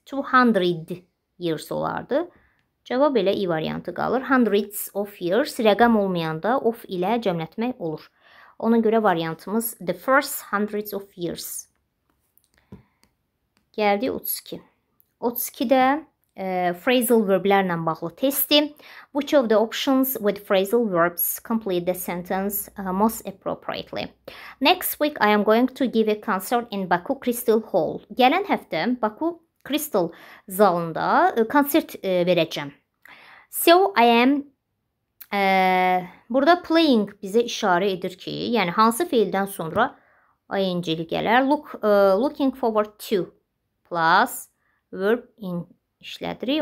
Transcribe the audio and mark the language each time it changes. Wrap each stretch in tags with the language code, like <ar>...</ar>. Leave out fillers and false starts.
<az>200 years olardı. Cavab elə İ variantı qalır. Hundreds of years, rəqəm olmayanda of ilə cəmlətmək olur. Ona görə variantımız the first hundreds of years. Gəldi 32. 32-də phrasal verblərlə bağlı testi.</az> <en>Which of the options with phrasal verbs complete the sentence most appropriately? Next week I am going to give a concert in Baku Crystal Hall.</en> <az>Gələn həftə Baku Crystal zalında konsert verəcəm. So I am burada playing bizə işarə edir ki, yəni hansı fiildən sonra ing-li gələr? Looking forward to plus verb in işlədirik.</az>